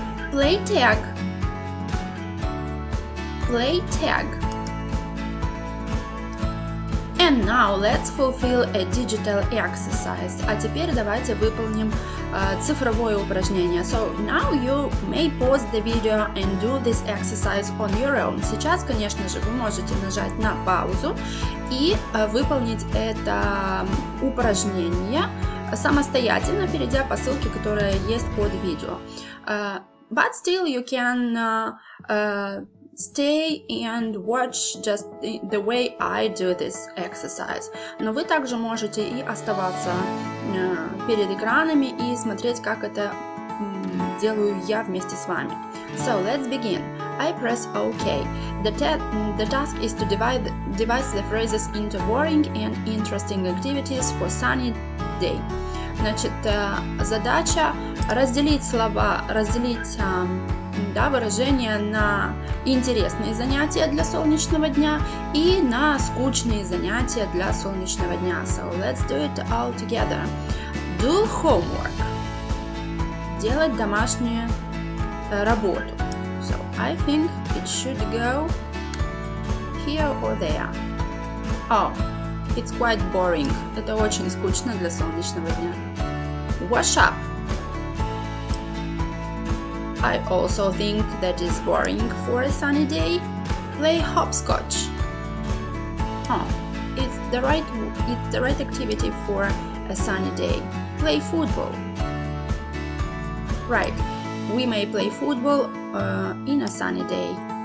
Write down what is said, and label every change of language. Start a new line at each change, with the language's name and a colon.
English: Play tag. Play tag. And now let's fulfill a digital exercise.
Russian: А теперь давайте выполним цифровое упражнение.
English: So now you may pause the video and do this exercise on your own.
Russian: Сейчас, конечно же, вы можете нажать на паузу и выполнить это упражнение самостоятельно, перейдя по ссылке, которая есть под видео.
English: But still you can stay and watch just the way I do this exercise.
Russian: Но вы также можете и оставаться перед экранами и смотреть, как это делаю я вместе с вами.
English: So, let's begin. I press OK. The task is to divide the phrases into boring and interesting activities for sunny day.
Russian: Значит, задача разделить слова, выражения на интересные занятия для солнечного дня и на скучные занятия для солнечного дня.
English: So let's do it all together. Do homework.
Russian: Делать домашнюю работу.
English: So I think it should go here or there. Oh, it's quite boring.
Russian: Это очень скучно для солнечного дня.
English: Wash up. I also think that is boring for a sunny day. Play hopscotch. Oh, it's the right activity for a sunny day. Play football. Right, we may play football in a sunny day.